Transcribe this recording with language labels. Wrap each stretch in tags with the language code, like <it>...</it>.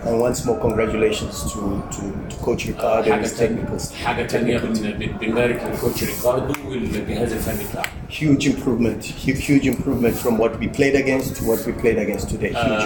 <en>And once more congratulations to coach Ricardo and his technicals.</en> <ar>حاجه ثانيه بنبارك لكوتش ريكاردو والجهاز الفني بتاعه.</ar> <en>Huge improvement from what we played against to what we played against today.</en>